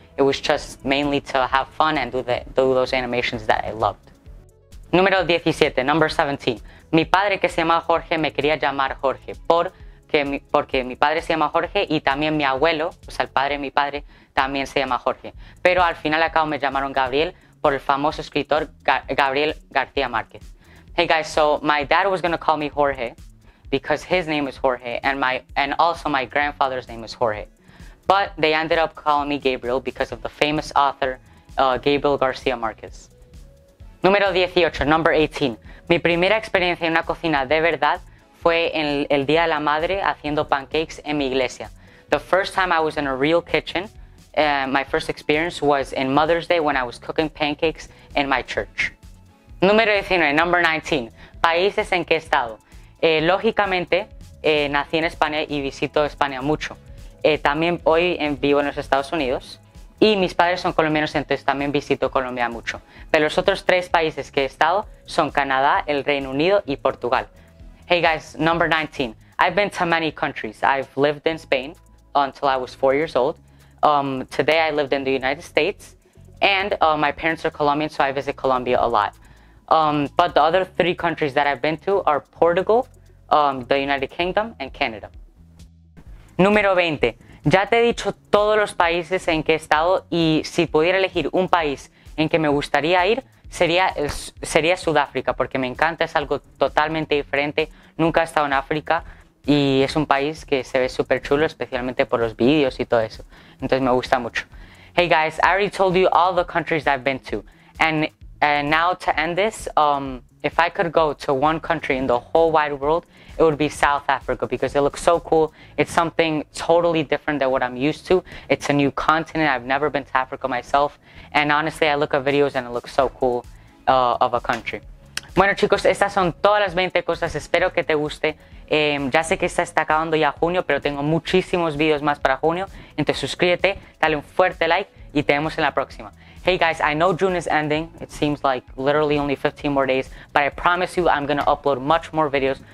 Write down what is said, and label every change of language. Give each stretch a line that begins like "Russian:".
English: It was just mainly to have fun and do those animations that I loved.
Spanish: Número 17,
English: number 17.
Spanish: Mi padre, que se llama Jorge, me quería llamar Jorge porque mi padre se llama Jorge y también mi abuelo, o sea, el padre de mi padre, también se llama Jorge. Pero al final acabo me llamaron Gabriel por el famoso escritor Gabriel García Márquez.
English: Hey guys, so my dad was going to call me Jorge because his name is Jorge and also my grandfather's name is Jorge. But they ended up calling me Gabriel because of the famous author Gabriel García Márquez.
Spanish: Número 18,
English: number 18.
Spanish: Mi primera experiencia en una cocina de verdad fue en el Día de la Madre haciendo pancakes en mi iglesia.
English: The first time I was in a real kitchen, my first experience was in Mother's Day when I was cooking pancakes in my church.
Spanish: Número 19,
English: number 19.
Spanish: ¿Países en qué estado? Lógicamente, nací en España y visito España mucho. También hoy vivo en los Estados Unidos. Y mis padres son colombianos, entonces también visito Colombia mucho. Pero los otros 3 países que he estado son Canadá, el Reino Unido y Portugal.
English: Hey guys, number 19. I've been to many countries. I've lived in Spain until I was 4 years old. Today I lived in the United States. And my parents are Colombian, so I visit Colombia a lot. But the other 3 countries that I've been to are Portugal, the United Kingdom, and Canada.
Spanish: Número 20. Ya te he dicho todos los países en que he estado y si pudiera elegir un país en que me gustaría ir, sería Sudáfrica, porque me encanta, es algo totalmente diferente. Nunca he estado en África y es un país que se ve súper chulo, especialmente por los vídeos y todo eso. Entonces me gusta mucho.
English: Hey guys, I already told you all the countries I've been to. And now to end this, if I could go to one country in the whole wide world, it would be South Africa because it looks so cool. It's something totally different than what I'm used to. It's a new continent. I've never been to Africa myself. And honestly, I look at videos and it looks so cool of a country.
Spanish: Bueno, chicos, estas son todas las 20 cosas. Espero que te guste. Ya sé que esta está acabando ya junio, pero tengo muchísimos videos más para junio. Entonces suscríbete, dale un fuerte like y te vemos en la próxima.
English: Hey guys, I know June is ending. It seems like literally only 15 more days, but I promise you I'm gonna upload much more videos.